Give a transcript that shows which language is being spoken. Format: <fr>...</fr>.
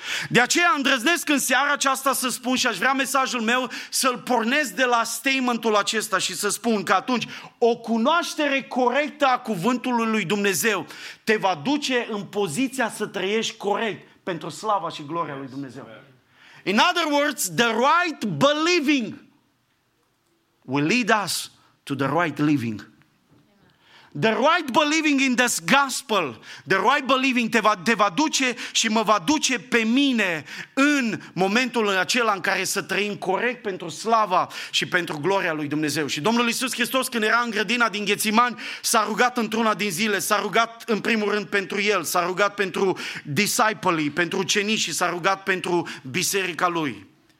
<ro>De aceea îndrăznesc în seara aceasta să spun și aș vrea mesajul meu să-l pornesc de la statementul acesta și să spun că atunci o cunoaștere corectă a cuvântului lui Dumnezeu te va duce în poziția să trăiești corect pentru slava și gloria lui Dumnezeu.</ro> <en>In other words, the right believing will lead us to the right living. The right believing in this gospel, the right believing</en> <ro>te va duce și mă va duce pe mine în momentul acela în care să trăim corect pentru slava și pentru gloria lui Dumnezeu. Și Domnul Iisus Hristos, când era în grădina din Ghețimani, s-a rugat într-una din zile, s-a rugat în primul rând pentru el, s-a rugat pentru disciplii, pentru ucenici și s-a rugat pentru biserica lui.</ro>